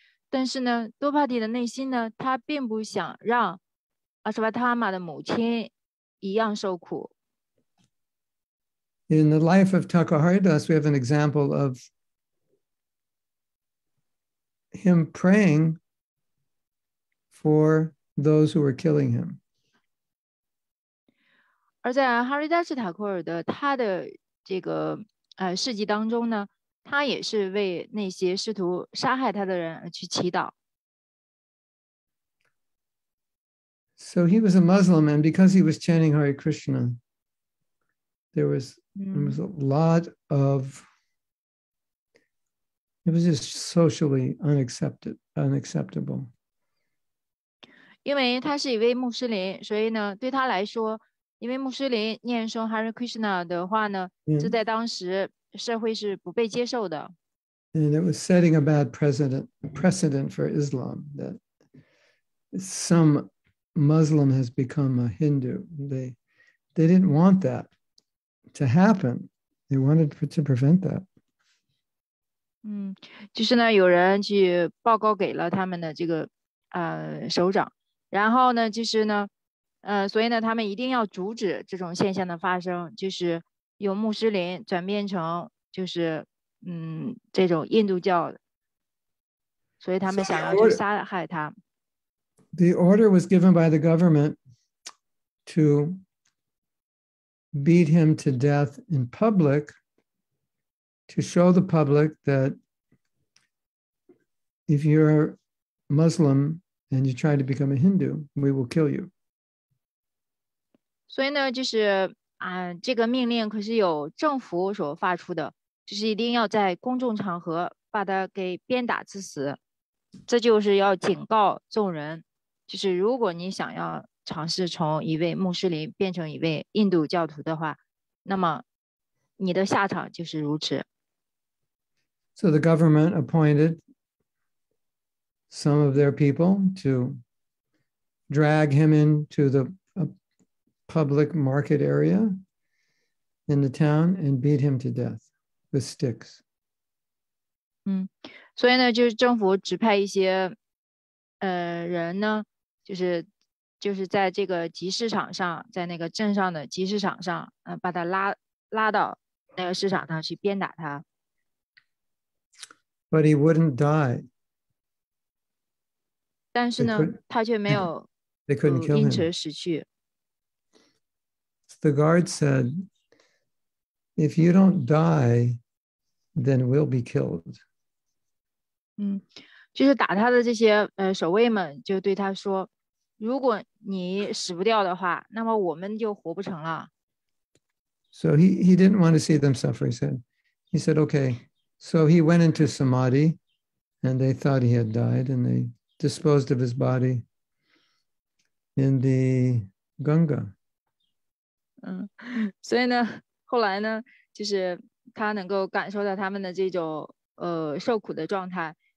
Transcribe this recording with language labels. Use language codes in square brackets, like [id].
[zh] 但是呢，多帕蒂的内心呢，他并不想让阿斯瓦塔玛的母亲一样受苦。 [en] In the life of Takaharidas, we have an example of him praying for those who were killing him. [zh] 而在哈里达斯塔库尔的他的这个事迹当中呢，他也是为那些试图杀害他的人而去祈祷。 [en] So he was a Muslim, and because he was chanting Hare Krishna, there was a lot of, it was just socially unacceptable. [zh] 因为他是一位穆斯林，所以呢，对他来说，因为穆斯林念诵 Hare Krishna 的话呢，这在当时社会是不被接受的。 [en] And it was setting a bad precedent for Islam that some Muslim has become a Hindu. They didn't want that to happen. They wanted to prevent that. [zh] 就是呢，有人去报告给了他们的这个首长，然后呢，就是呢，所以呢，他们一定要阻止这种现象的发生，就是由穆斯林转变成就是这种印度教的，所以他们想要去杀害他。 [en] The order was given by the government to beat him to death in public to show the public that if you're Muslim and you try to become a Hindu, we will kill you. [zh] 所以呢，就是这个命令可是由政府所发出的，就是一定要在公众场合把他给鞭打致死，这就是要警告众人，就是如果你想要尝试从一位穆斯林变成一位印度教徒的话，那么你的下场就是如此。 [en] So the government appointed some of their people to drag him into the public market area in the town and beat him to death with sticks. [zh] 所以呢，就是政府指派一些人呢，就是在这个集市场上，在那个镇上的集市场上，把他拉到那个市场上去鞭打他。 [en] But he wouldn't die. [zh] 但是呢，他却没有因此死去。 [en] The guard said, if you don't die, then we'll be killed. [zh] 就是打他的这些守卫们就对他说，如果你死不掉的话，那么我们就活不成了。 [en] So he didn't want to see them suffer, he said, okay. So he went into Samadhi, and they thought he had died, and they disposed of his body in the Ganga. [zh] 所以呢，后来呢，就是他能够感受到他们的这种受苦的状态，